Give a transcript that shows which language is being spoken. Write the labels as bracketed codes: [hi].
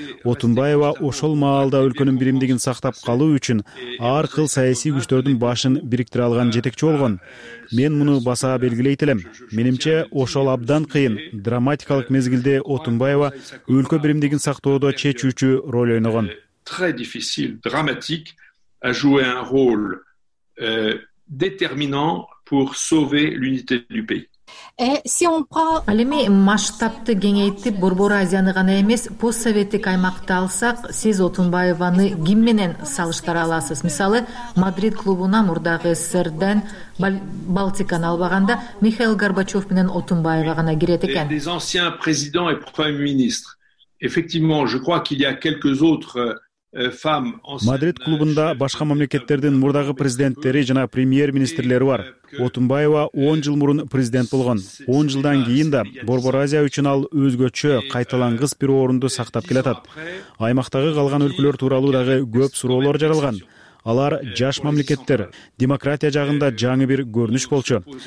[ky] Отунбаева ошол маалда өлкөнүн биримдигин сактап калуу үчүн ар кыл саясий күчтөрдүн башын бириктире алган жетекчи болгон. Мен муну баса белгилейт элем. Менимче ошол абдан кыйын драматикалык мезгилде Отунбаева өлкө биримдигин сактоодо чечүүчү роль ойногон. [fr] Très difficile, dramatique, a joué un rôle déterminant pour sauver l'unité du pays. [ky] Алеми масштабты кеңейтип, Борбор Азияны гана эмес, постсоветтик аймакты алсак, сиз Отунбаеваны ким менен салыштыра аласыз? Мисалы, Мадрид клубуна мурдагы СССРден Балтиканы албаганда, Михаил Горбачев менен Отунбаева гана кирет экен. [fr] Des anciens présidents et premiers ministres. Effectivement, je crois qu'il y a quelques autres [ky] Мадрид клубунда башка мамлекеттердин мурдагы президенттери жана премьер-министрлери бар. Отунбаева 10 жыл мурун президент болгон. 10 жылдан кийин да Борбор Азия үчүн ал өзгөчө, кайталангыс бир орунду сактап келатат. Аймактагы калган өлкөлөр тууралуу дагы көп суроолор жаралган. Алар жаш мамлекеттер, демократия жагында жаңы бир көрүнүш болчу.